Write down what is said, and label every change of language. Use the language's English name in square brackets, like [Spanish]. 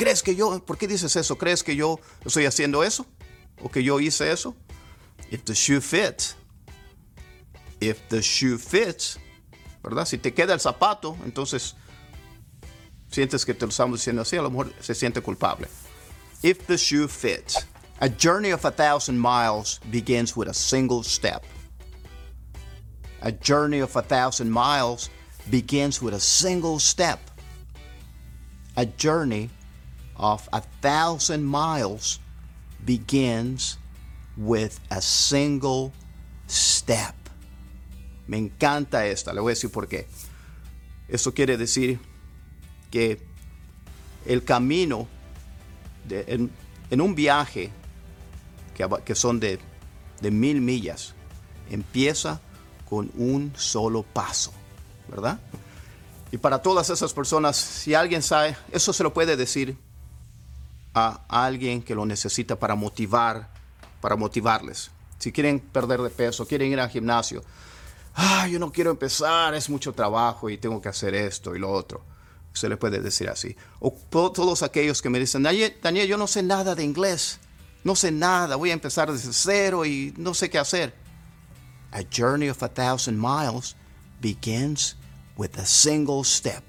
[Spanish] ¿Crees que yo? ¿Por qué dices eso? ¿Crees que yo estoy haciendo eso? ¿O que yo hice eso? [English] If the shoe fits. If the shoe fits. [Spanish] ¿Verdad? Si te queda el zapato, entonces sientes que te lo estamos diciendo así. A lo mejor se siente culpable. [English] If the shoe fits. A journey of 1,000 miles begins with a single step. A journey of 1,000 miles begins with a single step. A journey of 1,000 miles begins with a single step. [Spanish] Me encanta esta, le voy a decir por qué. Eso quiere decir que el camino en un viaje que son de 1,000 millas empieza con un solo paso, ¿verdad? Y para todas esas personas, si alguien sabe, eso se lo puede decir a alguien que lo necesita para motivarles. Si quieren perder de peso, quieren ir al gimnasio, yo no quiero empezar, es mucho trabajo y tengo que hacer esto y lo otro. Se le puede decir así. O todos aquellos que me dicen, Daniel, yo no sé nada de inglés, no sé nada, voy a empezar desde cero y no sé qué hacer. [English] A journey of 1,000 miles begins with a single step.